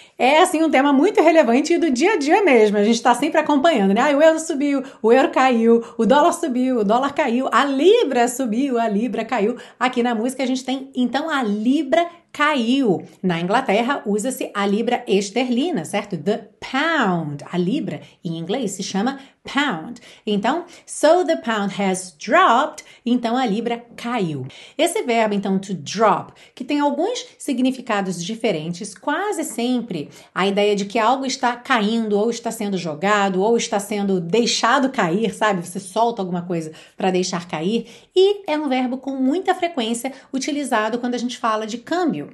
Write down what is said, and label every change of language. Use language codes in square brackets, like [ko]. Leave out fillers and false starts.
[pt] É, assim, um tema muito relevante do dia a dia mesmo. A gente está sempre acompanhando, né? Aí o euro subiu, o euro caiu, o dólar subiu, o dólar caiu, a libra subiu, a libra caiu. Aqui na música a gente tem, então, a libra caiu. Na Inglaterra usa-se a libra esterlina, certo? The pound. A libra, em inglês, se chama pound. Então, [en] so the pound has dropped. [pt] Então, a libra caiu. Esse verbo, então, to drop, que tem alguns significados diferentes, quase sempre a ideia de que algo está caindo, ou está sendo jogado, ou está sendo deixado cair, sabe? Você solta alguma coisa para deixar cair. E é um verbo com muita frequência utilizado quando a gente fala de câmbio.